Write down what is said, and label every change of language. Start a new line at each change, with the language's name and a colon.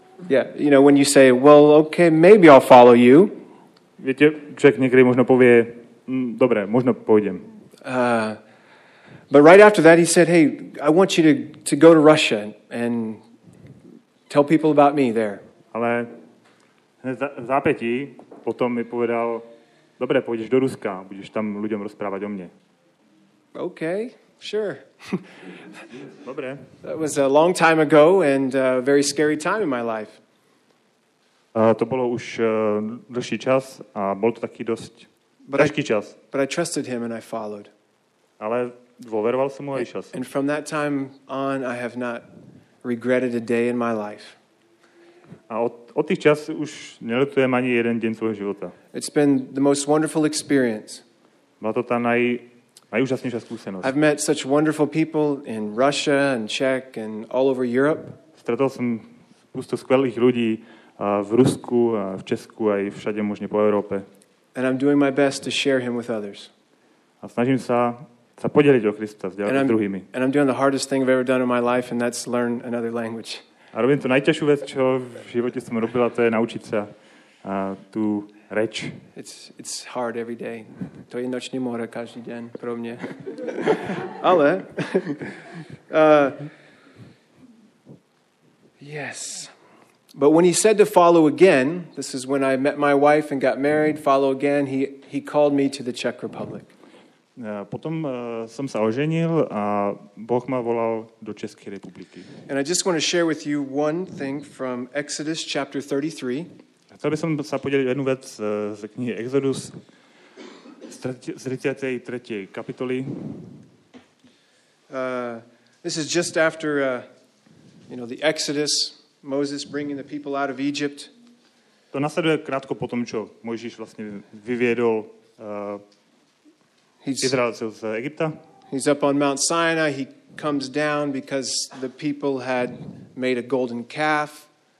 English: you know, when you say, well, okay, maybe I'll follow you.
Slovak: Viete, človek niekedy možno povie, dobre, možno pôjdem.
English: But right after that, he said, hey, I want you to go to Russia and tell people about me there.
Slovak: Ale hneď v zápätí potom mi povedal, dobre, pôjdeš do Ruska, budeš tam ľuďom rozprávať o mne.
English: Okay. Sure.
Slovak: Dobre.
English: That was a long time ago and a very scary time in my life.
Slovak: To bolo už dlhší čas a bol to taký dosť ťažký čas.
English: But I trusted him and I followed.
Slovak: Ale dôveroval som mu a išiel som.
English: And from that time on I have not regretted a day in my life.
Slovak: A od tých čas už neľutujem ani jeden deň svojho života.
English: It's been the most wonderful experience.
Slovak: Bola to tá najúžasnejšia skúsenosť.
English: I've met such wonderful people in Russia and Czech and all over Europe.
Slovak: Stretol som spústu skvelých ľudí v Rusku a v Česku aj všade možne po Európe.
English: And I'm doing my best to share him with others.
Slovak: A snažím sa podeliť o Krista s ďalšími druhými.
English: And I'm doing the hardest thing I've ever done in my life and that's learn another language.
Slovak: A robím tú najťažšiu vec, čo v živote som robil, a to je naučiť sa tú reč.
English: It's hard every day.
Slovak: To je nočný mora každý deň pro mňa. Ale yes.
English: But when he said to follow again, this is when I met my wife and got married, follow again, he called me to the Czech Republic.
Slovak: Potom som sa oženil a Boh ma volal do Českej republiky.
English: And I just want to share with you one thing from Exodus chapter 33.
Slovak: Chcel by som sa podeliť jednu vec z knihy Exodus z 33. kapitoly.
English: This is just after the Exodus, Moses bringing the people out of Egypt.
Slovak: To nasleduje krátko potom, čo Mojžiš vlastne vyviedol Izraelcov z Egypta.
English: He's up on Mount Sinai, he comes down because the people had made a golden calf.